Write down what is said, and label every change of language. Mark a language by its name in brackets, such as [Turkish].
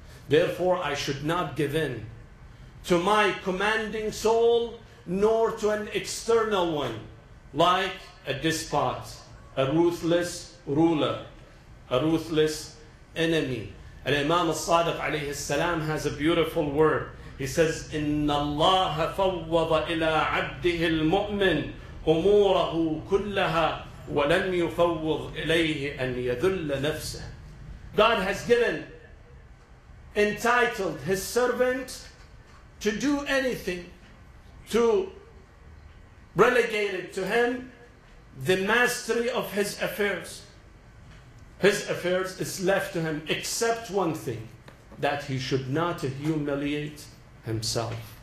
[English] Therefore, I should not give in to my commanding soul, nor to an external one, like a despot, a ruthless ruler, a ruthless enemy. And Imam al-Sadiq alayhi salam has a beautiful word. He says, [Arabic] إِنَّ اللَّهَ فَوَّضَ إِلَىٰ عَبْدِهِ الْمُؤْمِنِ أُمُورَهُ كُلَّهَا وَلَمْ يُفَوِّضْ إِلَيْهِ أَنْ يَذُلَّ نَفْسَهُ. [English] God has given, entitled his servant to do anything, to relegate it to him, the mastery of his affairs. His affairs is left to him, except one thing, that he should not humiliate himself.